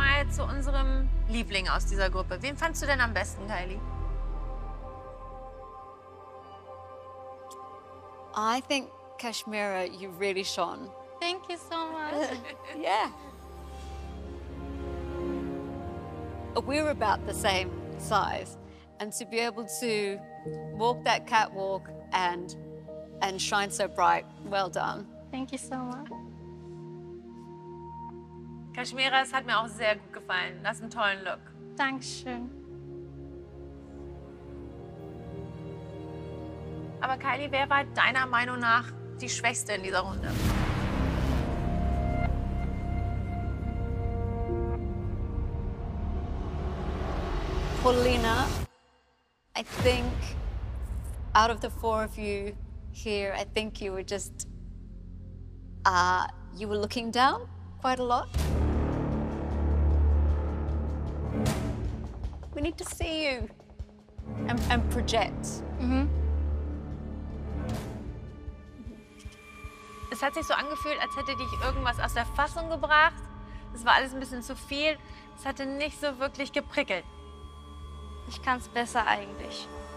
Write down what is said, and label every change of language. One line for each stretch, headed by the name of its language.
German: Zu unserem Liebling aus dieser Gruppe. Wen fandst du denn am besten, Kylie?
English: I think Kashmira, you really shone. Thank you so much. Yeah. We're about the same size. And to be able to walk that catwalk and shine so bright, well done. Thank you so much.
German: Kashmira, es hat mir auch sehr gut gefallen. Du hast einen tollen Look. Dankeschön. Aber Kylie, wer war deiner Meinung nach die Schwächste in dieser Runde?
English: Paulina, I think out of the four of you here, I think you were just, you were looking down quite a lot. We need to see you and project. Mm-hmm.
German: Es hat sich so angefühlt, als hätte dich irgendwas aus der Fassung gebracht. Es war alles ein bisschen zu viel. Es hatte nicht so wirklich geprickelt. Ich kann es besser eigentlich.